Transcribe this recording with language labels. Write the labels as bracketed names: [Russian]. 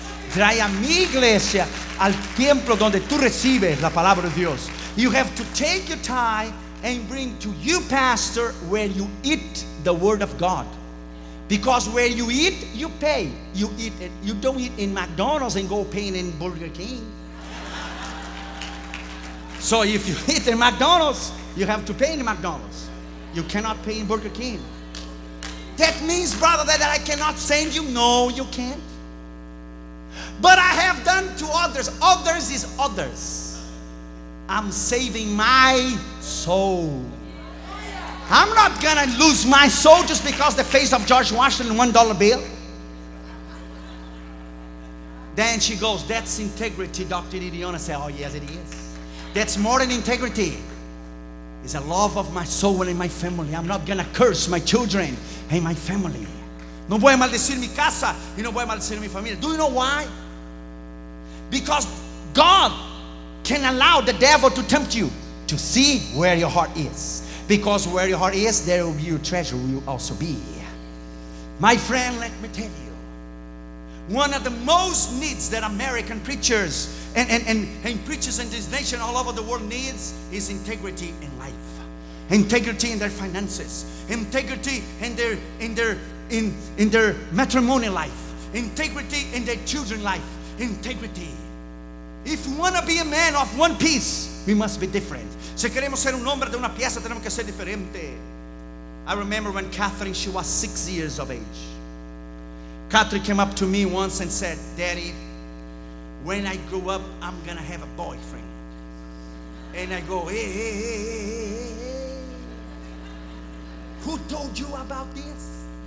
[Spanish] Trae a mi iglesia al templo donde tú recibes la palabra de Dios. [English] You have to take your tithe and bring to you pastor where you eat the word of God. Because where you eat, you pay. You eat it. You don't eat in McDonald's and go paying in Burger King. So if you eat in McDonald's, you have to pay in McDonald's. You cannot pay in Burger King. That means, brother, that I cannot send you. No, you can't. But I have done to others. Others is others. I'm saving my soul. I'm not gonna lose my soul just because the face of George Washington $1 bill. Then she goes, that's integrity, Dr. Didiona. I say, oh yes, it is. That's more than integrity. It's a love of my soul and my family. I'm not gonna curse my children. Hey, my family. [Spanish] No voy a maldecir mi casa y no voy a maldecir mi familia. [English] Do you know why? Because God can allow the devil to tempt you to see where your heart is. Because where your heart is, there will be your treasure will also be. My friend, let me tell you. One of the most needs that American preachers and preachers in this nation all over the world needs is integrity in life. Integrity in their finances, integrity in their matrimony life, integrity in their children life, integrity. If we want to be a man of one piece, we must be different. [Spanish] Si queremos ser un hombre de una pieza, tenemos que ser diferente. [English] I remember when Catherine, she was 6 years of age. Catherine came up to me once and said, Daddy, when I grow up, I'm going to have a boyfriend. And I go, hey. Who told you about this?